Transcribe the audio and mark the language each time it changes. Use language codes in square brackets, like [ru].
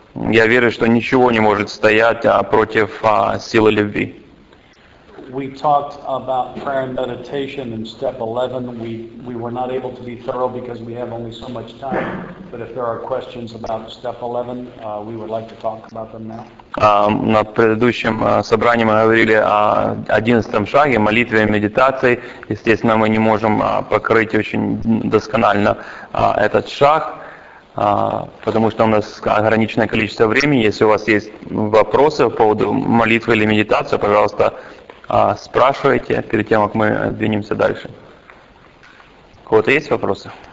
[ru] Я верю, что ничего не может стоять против силы любви. [en] We talked about prayer and meditation in step 11. We were not able to be thorough because we have only so much time. But if there are questions about step 11, we would like to talk about them now. [ru] На предыдущем собрании мы говорили о 11-м шаге, молитве и медитации. Естественно, мы не можем покрыть очень досконально этот шаг, потому что у нас ограниченное количество времени. Если у вас есть вопросы по поводу молитвы или медитации, пожалуйста, спрашивайте перед тем, как мы двинемся дальше. У кого-то есть вопросы?